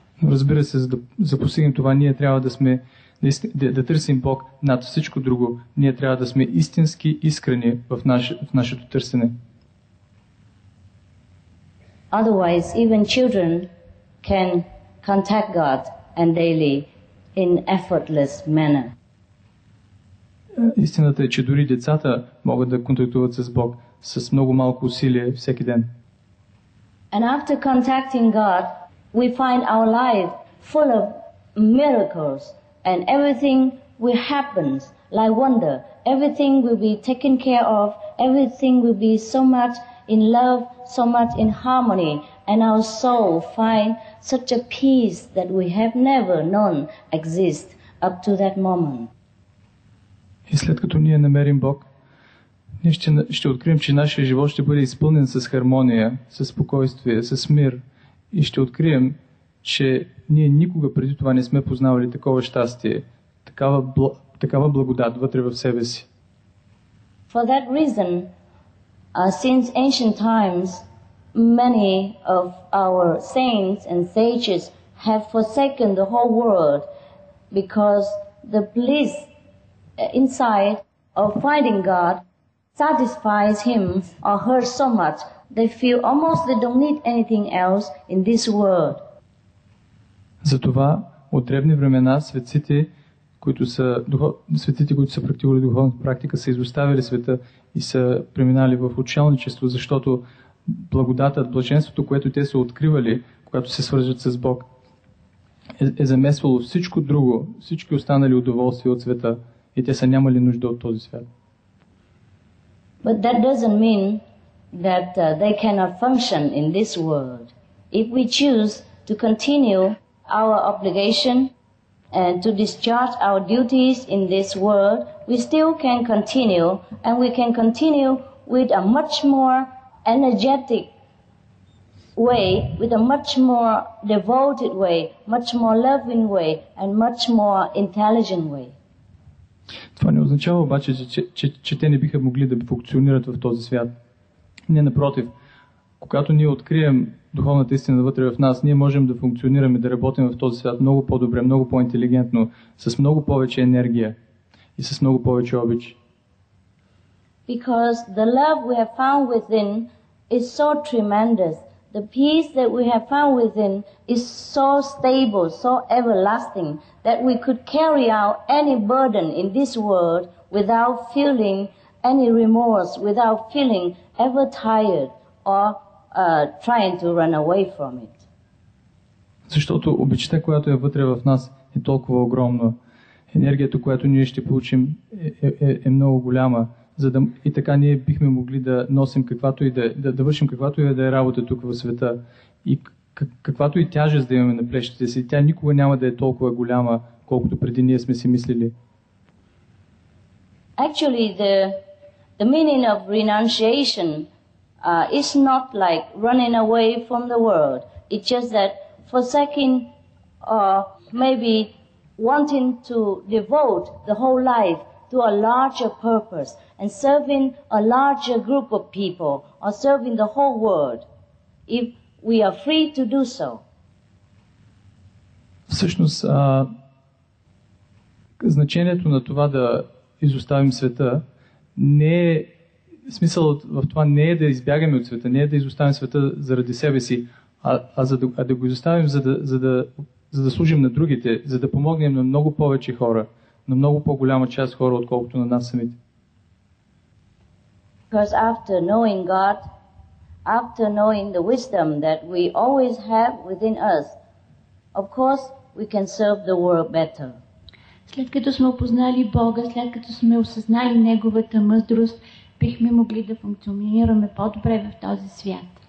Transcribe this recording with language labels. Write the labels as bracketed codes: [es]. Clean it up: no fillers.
[bg] Разбира се, за постигнем това, ние трябва да сме да търсим Бог над всичко друго. Ние трябва да сме истински искрени в нашето търсене. [en] Otherwise, even children can contact God and daily in effortless manner. [bg] Истината е, че дори децата могат да контактуват с Бог с много малко усилие всеки ден. [en] And after contacting God, we find our life full of miracles. And everything will happen like wonder. Everything will be taken care of. Everything will be so much in love, so much in harmony. And our soul find such a peace that we have never known exist up to that moment. [bg] И след като ние намерим Бог, ние ще открием, че нашия живот ще бъде изпълнен с хармония, с спокойствие, с мир. И ще открием, че ние никога преди това не сме познавали такова щастие, такава благодат вътре в себе си. [en] For that reason, since ancient times, many of our saints and sages have forsaken the whole world because the bliss inside of finding God satisfies him or her so much. They feel almost they don't need anything else in this world. [bg] Затова от древни времена светците, които са практикували духовната практика, са изоставили света и са преминали в отшелничество, защото благодатът, блаженството, което те са откривали, когато се свържат с Бог, е замесвало всичко друго, всички останали удоволствия от света и те са нямали нужда от този свят. [en] But that doesn't mean that they cannot function in this world. If we choose to continue our obligation and to discharge our duties in this world, we still can continue and we can continue with a much more energetic way, with a much more devoted way, much more loving way and much more intelligent way. [bg] Това не означава обаче, че те не биха могли да функционират в този свят. Не, напротив. Когато ние открием духовната истина вътре в нас, ние можем да функционираме, да работим в този свят много по-добре, много по-интелигентно, с много повече енергия и с много повече обич. [en] Because the love we have found within is so tremendous. The peace that we have found within is so stable, so everlasting, that we could carry out any burden in this world without feeling any remorse, without feeling ever tired or trying to run away from it. [bg] Защото обичта, която е вътре в нас, е толкова огромна. Енергията, която ние ще получим, е много голяма. За да, и така ние бихме могли да носим каквато и да вършим каквато и да е работа тук в света. И каквато и тежест да имаме на плещите си, тя никога няма да е толкова голяма, колкото преди ние сме си мислили. [en] Actually, the meaning of renunciation is not like running away from the world. It's just that forsaking or maybe wanting to devote the whole life to a larger purpose and serving a larger group of people or serving the whole world, if we are free to do so. [bg] Всъщност, значението на това да изоставим света не е, смисълът в това не е да избягаме от света, не е да изоставим света заради себе си, а да го изоставим, за да служим на другите, за да помогнем на много повече хора, на много по-голяма част хора, отколкото на нас самите. [en] Because after knowing God, after knowing the wisdom that we always have within us, of course we can serve the world better. [bg] След като сме опознали Бога, след като сме осъзнали Неговата мъдрост, бихме могли да функционираме по-добре в този свят.